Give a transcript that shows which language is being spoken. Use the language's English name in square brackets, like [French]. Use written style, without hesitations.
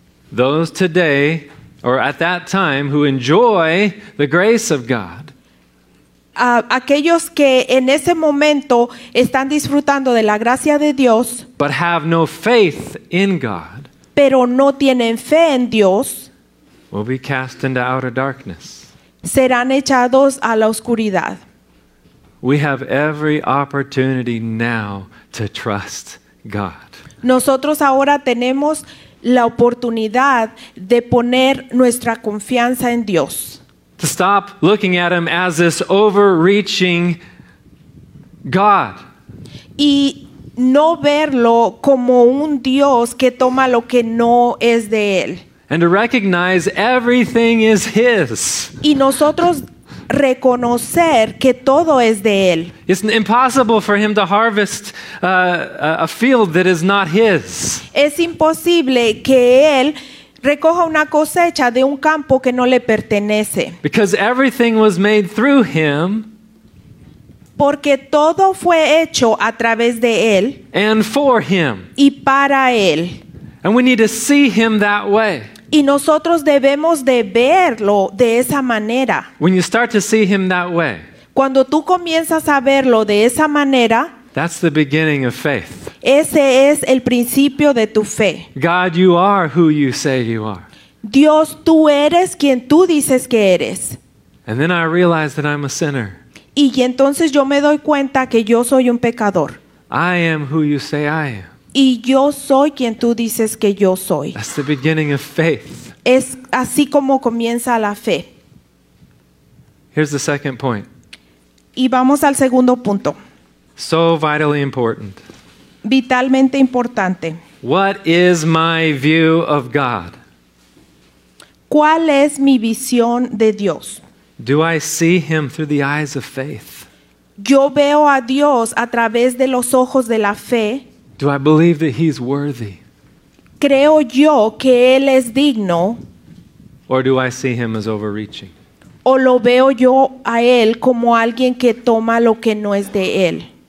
[English] Those today, or at that time, who enjoy the grace of God, [Spanish] aquellos que en ese momento están disfrutando de la gracia de Dios, [English] but have no faith in God, [Spanish] pero no tienen fe en Dios, [English] will be cast into outer darkness. [Spanish] Serán echados a la oscuridad. [English] We have every opportunity now to trust God. [Spanish] Nosotros ahora tenemos la oportunidad de poner nuestra confianza en Dios. [English] To stop looking at him as this overreaching God. [Spanish] Y no verlo como un Dios que toma lo que no es de él. [English] And to recognize everything is his. [Spanish] Y nosotros reconocer que todo es de él. [English] It's impossible for him to harvest a field that is not his. [Spanish] Es imposible que él recoja una cosecha de un campo que no le pertenece. [English] Because everything was made through him. [Spanish] Porque todo fue hecho a través de él. [English] And for him. [Spanish] Y para él. [English] And we need to see him that way. [Spanish] Y nosotros debemos de verlo de esa manera. [English] When you start to see him that way, [Spanish] cuando tú comienzas a verlo de esa manera, [English] that's the beginning of faith. [Spanish] Ese es el principio de tu fe. [English] God, you are who you say you are. [Spanish] Dios, tú eres quien tú dices que eres. [English] And then I realize that I'm a sinner. [Spanish] Y entonces yo me doy cuenta que yo soy un pecador. [English] I am who you say I am. [Spanish] Y yo soy quien tú dices que yo soy. [English] That's the beginning of faith. [Spanish] Es así como comienza la fe. [English] Here's the second point. [Spanish] Y vamos al segundo punto. [English] So vitally important. [Spanish] Vitalmente importante. [English] What is my view of God? [Spanish] ¿Cuál es mi visión de Dios? [English] Do I see him through the eyes of faith? [Spanish] Yo veo a Dios a través de los ojos de la fe. [English] Do I believe that he's worthy? [Spanish] Creo yo que él es digno. [English] Or do I see him as overreaching? [Spanish] O lo veo yo a él como alguien que toma lo que no es de él.